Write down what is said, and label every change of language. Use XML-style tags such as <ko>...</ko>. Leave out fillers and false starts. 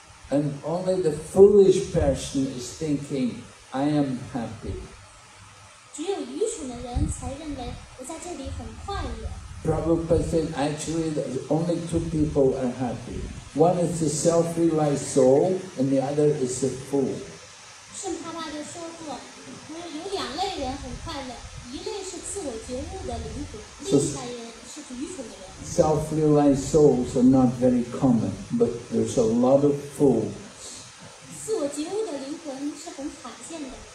<en>And only the foolish person is thinking, I am happy.</en> <zh>只有愚蠢的人才认为我在这里很快乐。Prabhupada</zh> <en>said, actually, only two people are happy. One is the self-realized soul, and the other is the fool.</en> <zh>圣帕拉就说过，有两类人很快乐，一类是自我觉悟的灵魂，另一类是愚蠢的人。</zh> <en>Self-realized souls are not very common, but there's a lot of fools.</en> <zh>自我觉悟的灵魂是很罕见的。</zh>